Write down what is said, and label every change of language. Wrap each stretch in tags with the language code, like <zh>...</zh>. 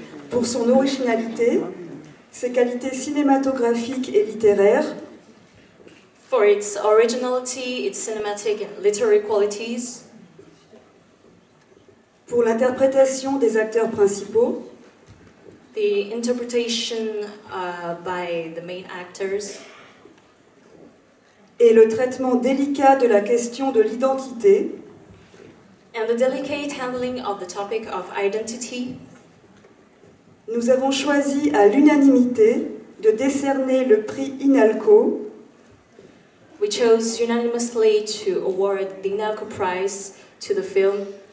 <fr>Pour son originalité, ses qualités cinématographiques et littéraires.</fr> <en>For its originality, its cinematic and literary qualities.</en> <fr>Pour l'interprétation des acteurs principaux.</fr> <en>The interpretation by the main actors.</en> <fr>Et le traitement délicat de la question de l'identité.</fr> <en>And the delicate handling of the topic of identity.</en> <fr>Nous avons choisi à l'unanimité de décerner le prix INALCO.</fr> <en>We chose unanimously to award the INALCO prize to the film</en>